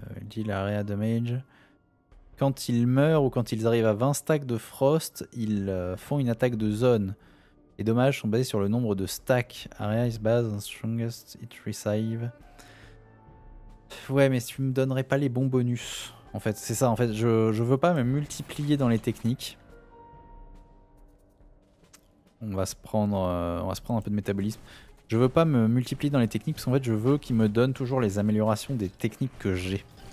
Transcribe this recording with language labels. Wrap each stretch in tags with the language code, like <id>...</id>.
<en>Deal Area Damage.</en> <fr>Quand ils meurent ou quand ils arrivent à 20 stacks de Frost, ils font une attaque de zone. Les dommages sont basés sur le nombre de stacks.</fr> <en>Area is base on strongest it receive.</en> <fr>Ouais, mais tu me donnerais pas les bons bonus. En fait, c'est ça. En fait, je veux pas me multiplier dans les techniques. On va se prendre un peu de métabolisme. Je veux pas me multiplier dans les techniques parce qu'en fait, je veux qu'ils me donnent toujours les améliorations des techniques que j'ai.</fr>